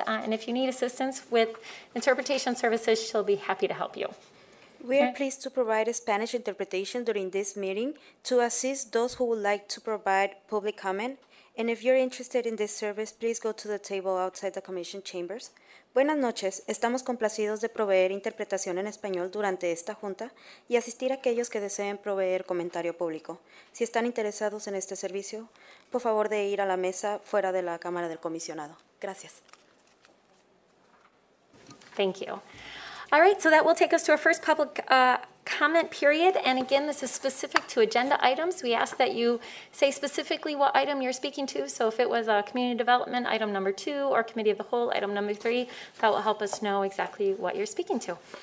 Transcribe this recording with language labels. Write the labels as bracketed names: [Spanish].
[English] And if you need assistance with interpretation services, she'll be happy to help you. We are pleased to provide a Spanish interpretation during this meeting to assist those who would like to provide public comment. And if you're interested in this service, please go to the table outside the commission chambers. [Spanish] Buenas noches. Estamos complacidos de proveer interpretación en español durante esta junta y asistir a aquellos que deseen proveer comentario público. Si están interesados en este servicio, por favor de ir a la mesa fuera de la Cámara del Comisionado. Gracias. [English] Thank you. All right, so that will take us to our first public comment period. And again, this is specific to agenda items. We ask that you say specifically what item you're speaking to. So if it was a community development item number 2 or committee of the whole item number 3, that will help us know exactly what you're speaking to.